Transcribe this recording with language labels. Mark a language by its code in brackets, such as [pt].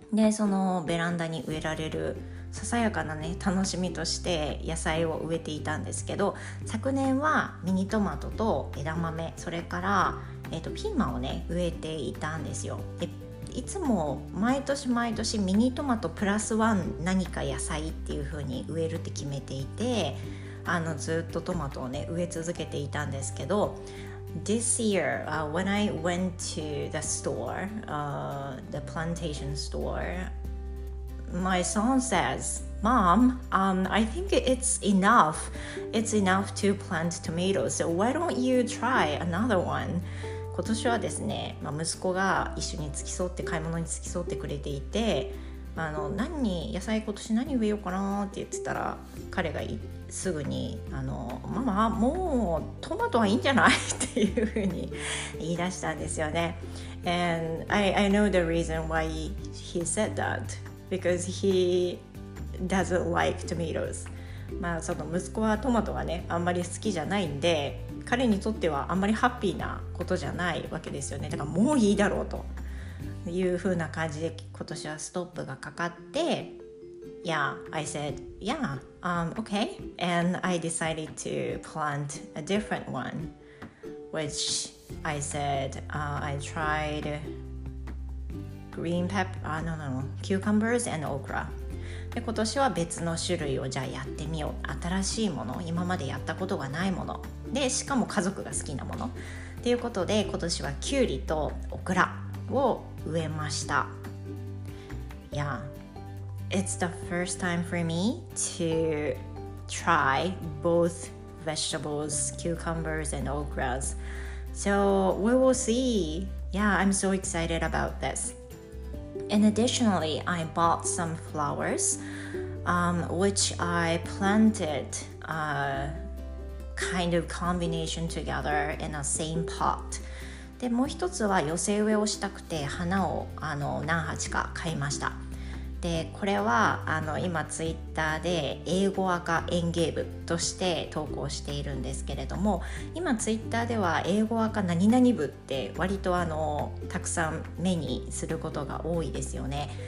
[ja] そのベランダに植えられるささやかなね、楽しみとして野菜を植えていたんですけど、昨年はミニトマトと枝豆、それから、ピーマンをね、植えていたんですよ。で、いつも毎年毎年ミニトマトプラスワン何か野菜っていう風に植えるって決めていて、ずっとトマトをね、植え続けていたんですけど、 [en] This year, when I went to the store, the plantation store, my son says, Mom, I think it's enough. It's enough to plant tomatoes. So why don't you try another one? [ja] 今年はですね、息子が一緒に付き添って買い物に付き添ってくれていて、野菜今年何植えようかなって言ってたら、彼がすぐにママもうトマトはいいんじゃないっていうふうに言い出したんですよね。 [en] And I know the reason why he said that because he doesn't like tomatoes。 [ja] まあその息子はトマトがねあんまり好きじゃないんで、彼にとってはあんまりハッピーなことじゃないわけですよね。だからもういいだろうというふうな感じで今年はストップがかかって、 [en] Yeah, I said, yeah, okay. And I decided to plant a different one, which I said, I tried green pepper, cucumbers and okra. [ja] で今年は別の種類をじゃあやってみよう、新しいもの、今までやったことがないもので、しかも家族が好きなものということで、今年はキュウリとオクラを植えました。 [en] Yeah, it's the first time for me to try both vegetables, cucumbers and okras. So we will see. Yeah, I'm so excited about thisAnd additionally, I bought some flowers, which I planted a kind of combination together in the same pot. [ja] で、もう一つは寄せ植えをしたくて花を何鉢か買いました。で、これは今ツイッターで英語赤園芸部として投稿しているんですけれども、今ツイッターでは英語赤何々部って割とたくさん目にすることが多いですよね。